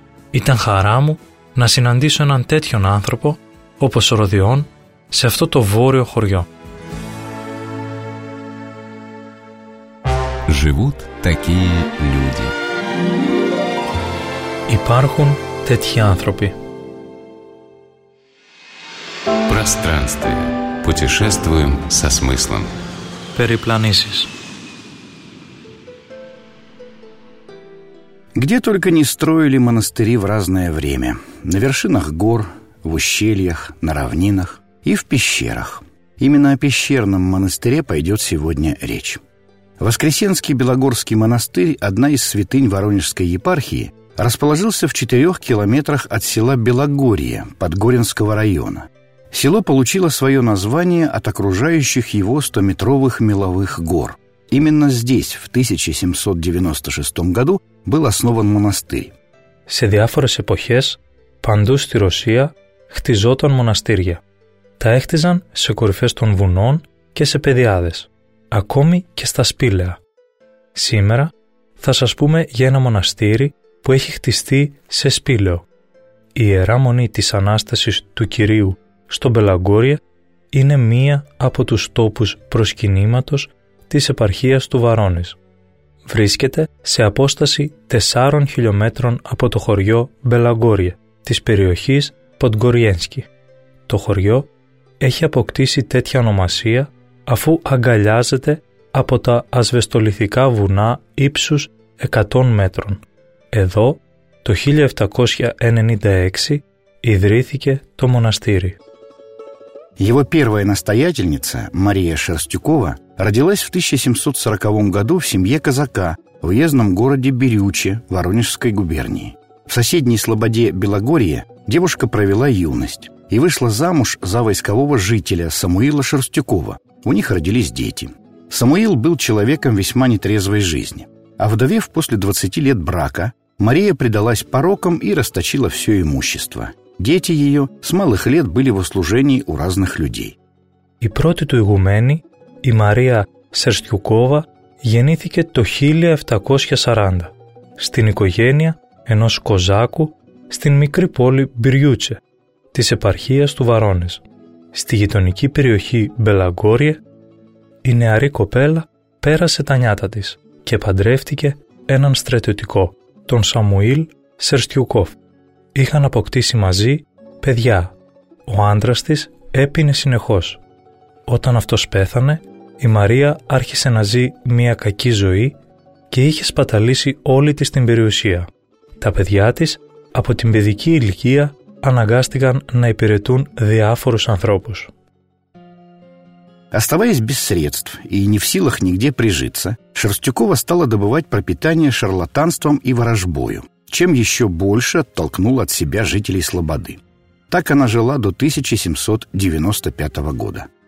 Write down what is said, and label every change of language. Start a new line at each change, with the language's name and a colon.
Greek: Ήταν χαρά μου να συναντήσω έναν τέτοιον άνθρωπο όπως ο Ροδιόν σε αυτό το βόρειο χωριό.
Russian: Живут такие люди.
Greek: Υπάρχουν τέτοιοι άνθρωποι.
Russian: Пространство. Путешествуем со смыслом.
Greek: Перепланисис.
Russian: Где только не строили монастыри в разное время. На вершинах гор, в ущельях, на равнинах и в пещерах. Именно о пещерном монастыре пойдет сегодня речь. Воскресенский Белогорский монастырь, одна из святынь Воронежской епархии, расположился в 4 километрах от села Белогорье Подгоринского района. Село получило свое название от окружающих его 100-метровых меловых гор. Именно здесь, в 1796 году, был основан монастырь.
Greek: Σε διάφορες εποχές, παντού στη Ρωσία, χτιζόταν μοναστήρια. Τα έχτιζαν σε κορυφές των βουνών και σε πεδιάδες. Ακόμη και στα σπήλαια. Σήμερα θα σας πούμε για ένα μοναστήρι που έχει χτιστεί σε σπήλαιο. Η Ιερά Μονή της Ανάστασης του Κυρίου στον Πελαγκόρια είναι μία από τους τόπους προσκυνήματος της επαρχίας του Βαρώνης. Βρίσκεται σε απόσταση 4 χιλιόμετρων από το χωριό Μπελαγκόρια της περιοχής Ποντγκοριένσκι. Το χωριό έχει αποκτήσει τέτοια ονομασία αφού αγκαλιάζεται από τα ασβεστολιθικά βουνά ύψους 100 μέτρων. Εδώ, το 1796, ιδρύθηκε το μοναστήρι.
Russian: Его первая настоятельница, Мария Шерстюкова, родилась в 1740 году в семье казака в уездном городе Бирюче Воронежской губернии. В соседней слободе Белогорье девушка провела юность и вышла замуж за войскового жителя Самуила Шерстюкова. У них родились дети. Самуил был человеком весьма нетрезвой жизни. Овдовев после 20 лет брака, Мария предалась порокам и расточила все имущество. Дети ее с малых лет были в услужении у разных людей.
Greek: Η πρώτη του ηγουμένη, η Μαρία Σερστιουκόβα, γεννήθηκε το 1740 στην οικογένεια ενός κοζάκου στην μικρή πόλη Μπυριούτσε της επαρχίας του Βαρώνες. Στη γειτονική περιοχή Μπελαγκόρια, η νεαρή κοπέλα πέρασε τα νιάτα της και παντρεύτηκε έναν στρατιωτικό, τον Σαμουήλ Σερστιουκόφ. Είχαν αποκτήσει μαζί παιδιά. Ο άντρας της έπινε συνεχώς. Όταν αυτός πέθανε, η Μαρία άρχισε να ζει μια κακή ζωή και είχε σπαταλήσει όλη της την περιουσία. Τα παιδιά της από την παιδική ηλικία αναγκάστηκαν να υπηρετούν διάφορους ανθρώπους.
Russian: Оставаясь без средств и не в силах нигде прижиться, Шерстюкова стала добывать пропитание шарлатанством и ворожбою, чем еще больше оттолкнула от себя жителей Слободы. Так она жила до 1795 года.